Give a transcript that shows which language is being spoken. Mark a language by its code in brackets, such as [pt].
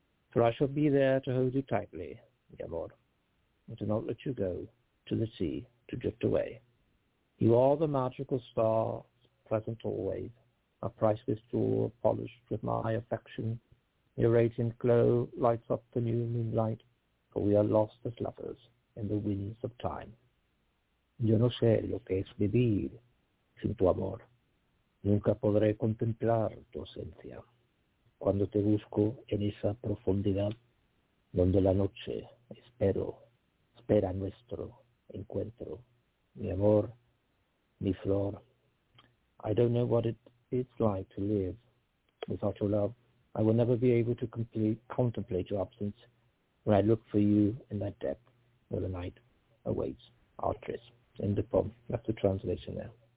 [en] For I shall be there to hold you tightly, [es] mi amor, [en] and to not let you go to the sea to drift away. You are the magical star, pleasant always, a priceless jewel polished with my affection. Your radiant glow lights up the new moonlight, for we are lost as lovers in the winds of time. [es] Yo no sé lo que es vivir sin tu amor. Nunca podré contemplar tu ausencia cuando te busco en esa profundidad donde la noche espera nuestro encuentro. Mi amor, mi flor. [en] I don't know what it's like to live without your love. I will never be able to contemplate your absence when I look for you in that depth where the night awaits our tryst. End of poem. That's the translation there.